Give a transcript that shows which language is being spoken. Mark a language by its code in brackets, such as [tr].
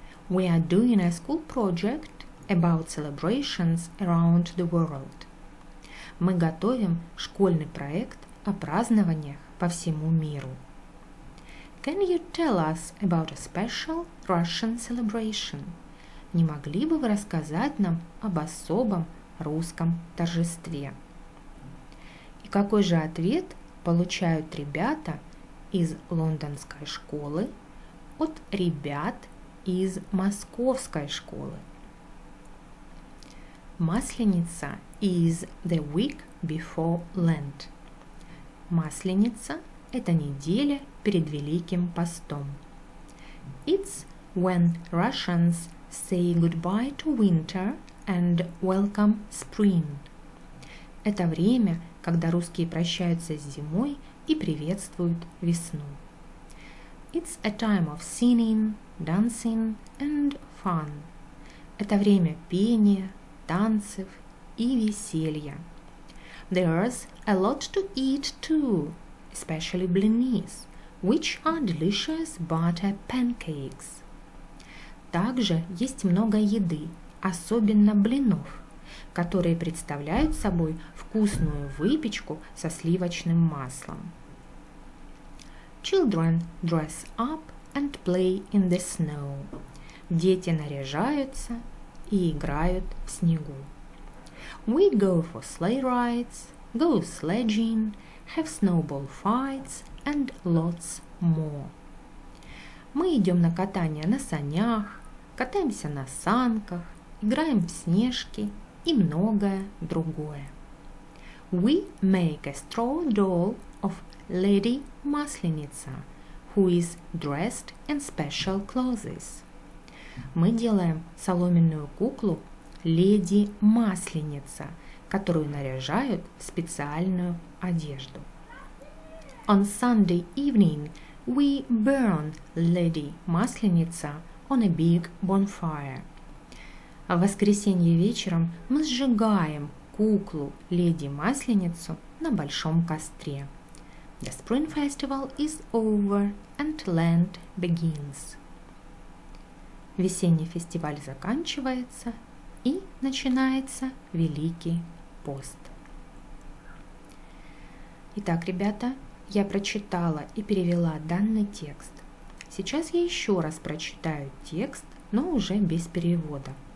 [en] We are doing a school project about celebrations around the world. [ru] Мы готовим школьный проект о празднованиях по всему миру. [en] Can you tell us about a special Russian celebration? [ru] Не могли бы вы рассказать нам об особом русском торжестве? И какой же ответ получают ребята из лондонской школы от ребят из московской школы? [en] Масленица is the week before Lent. [ru] Масленица – это неделя перед Великим постом. [en] It's when Russians say goodbye to winter and welcome spring. [ru] Это время, когда русские прощаются с зимой и приветствуют весну. [en] It's a time of singing, dancing and fun. [ru] Это время пения, танцев и веселья. [en] There's a lot to eat too, especially blinis, which are delicious butter pancakes. [ru] Также есть много еды, особенно блинов, которые представляют собой вкусную выпечку со сливочным маслом. [en] Children dress up and play in the snow. [ru] Дети наряжаются и играют в снегу. [en] We go for sleigh rides, go sledging, have snowball fights and lots more. [ru] Мы идем на катание на санях, катаемся на санках, играем в снежки и многое другое. [en] We make a straw doll of Lady Масленица, who is dressed in special clothes. [ru] мы делаем соломенную куклу Леди Масленица, которую наряжают в специальную одежду. [en] On Sunday evening we burn Lady Масленица on a big bonfire. [ru] В воскресенье вечером мы сжигаем куклу Леди Масленицу на большом костре. [en] The spring festival is over and Lent begins. [ru] Весенний фестиваль заканчивается и начинается Великий пост. Итак, ребята, я прочитала и перевела данный текст. Сейчас я еще раз прочитаю текст, но уже без перевода.